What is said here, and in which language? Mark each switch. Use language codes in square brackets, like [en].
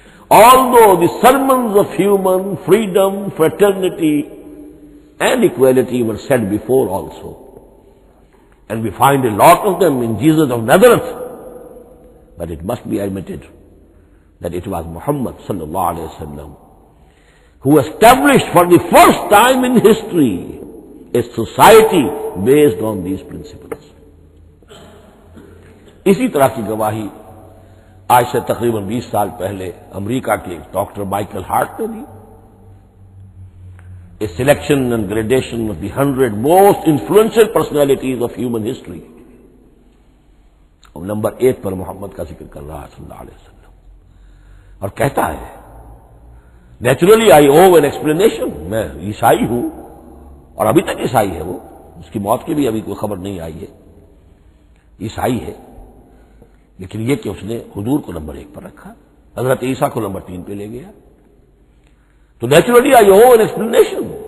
[en] Although the sermons of human freedom, fraternity and equality were said before also, and we find a lot of them in Jesus of Nazareth, but it must be admitted that it was Muhammad صلی اللہ علیہ وسلم who established for the first time in history a society based on these principles. [ur] اسی طرح کی گواہی آج سے تقریباً 20 سال پہلے امریکہ کے ڈاکٹر مائیکل ہارٹ نے دی. [en] A selection and gradation of the 100 most influential personalities of human history. [ur] اب نمبر 8 پر محمد کا ذکر کر رہا ہے صلی اللہ علیہ وسلم اور کہتا ہے [en] naturally I owe an explanation, [ur] میں عیسائی ہوں اور ابھی تک عیسائی ہے, وہ اس کی موت کی بھی ابھی کوئی خبر نہیں آئی ہے, عیسائی ہے, لیکن یہ کہ اس نے حضور کو نمبر 1 پر رکھا, حضرت عیسیٰ کو نمبر 3 پہ لے گیا, تو naturally I O an explanation.